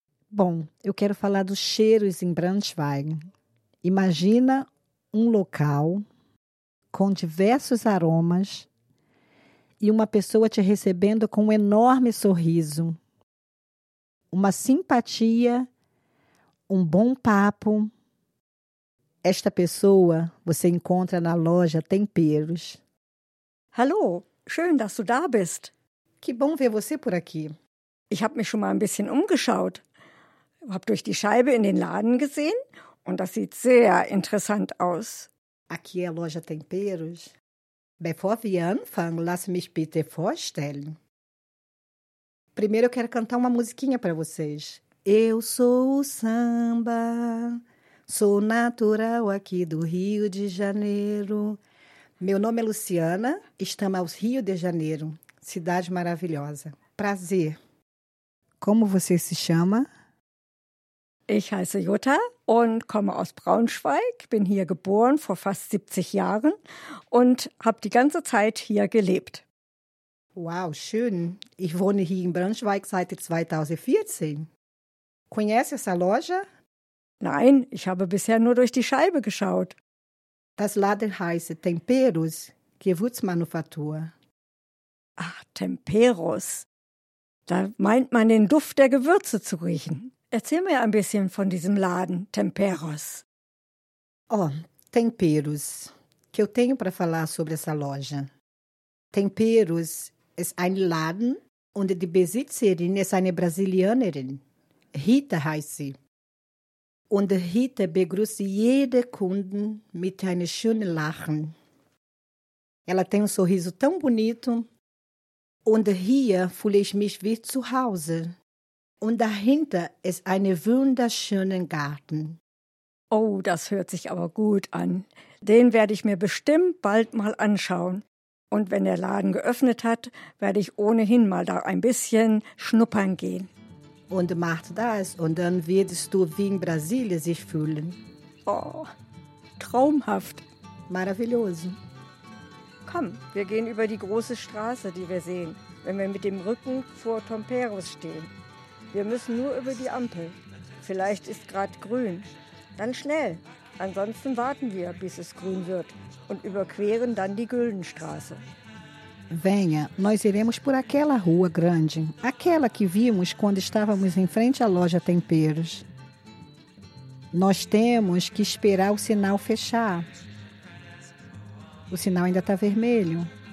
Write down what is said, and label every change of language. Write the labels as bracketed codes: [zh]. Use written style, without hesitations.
[pt] Bom, eu quero falar dos cheiros em Braunschweig. Imagina um local com diversos aromas e uma pessoa te recebendo com um enorme sorriso, uma simpatia, um bom papo. Esta pessoa você encontra na loja Temperos. [de] Hallo, schön, dass du da bist. [pt] Que bom ver você por aqui. [de] Ich habe mich schon mal ein bisschen umgeschaut. Hab durch die Scheibe in den Laden gesehen und das sieht sehr interessant aus. [pt] Aqui é a loja Temperos. [de] Bevor wir anfangen, lass mich bitte vorstellen. [pt] Primeiro eu quero cantar uma musiquinha para vocês. Eu sou o samba, sou natural aqui do Rio de Janeiro. Meu nome é Luciana, estamos Rio de Janeiro, cidade maravilhosa. Prazer. Como você se chama? [de] Ich heiße Jutta und komme aus Braunschweig, bin hier geboren vor fast 70 Jahren und habe die ganze Zeit hier gelebt. Uau, schön. Ich wohne hier in Braunschweig seit 2014. [pt] Conhece essa loja? [de] Nein, ich habe bisher nur durch die Scheibe geschaut. Das Laden heißt Temperos, Gewürzmanufaktur. Ach, Temperos. Da meint man den Duft der Gewürze zu riechen. Erzähl mir ein bisschen von diesem Laden, Temperos. Oh, Temperos. [pt] Que eu tenho para falar sobre essa loja? [de] Temperos ist ein Laden, und die Besitzerin ist eine Brasilianerin. Rita heißt sie. Und Rita begrüßt jede Kunden mit einem schönen Lachen. [pt] Ela tem sorriso tão bonito. [de] Und hier fühle ich mich wie zu Hause. Und dahinter ist ein wunderschöner Garten. Oh, das hört sich aber gut an. Den werde ich mir bestimmt bald mal anschauen. Und wenn der Laden geöffnet hat, werde ich ohnehin mal da ein bisschen schnuppern gehen. Und macht das, und dann wirst du wie in Brasilien sich fühlen. Oh, traumhaft. [pt] Maravilhoso. [de] Komm, wir gehen über die große Straße, die wir sehen, wenn wir mit dem Rücken vor Tomperos stehen. Wir müssen nur über die Ampel. Vielleicht ist gerade grün. Dann schnell. Ansonsten warten wir, bis es grün wird und überqueren dann die Güldenstraße. [pt] Venha, nós iremos por aquela rua grande, aquela que vimos quando estávamos em frente à loja Temperos. Nós temos que esperar o sinal fechar. O sinal ainda está vermelho.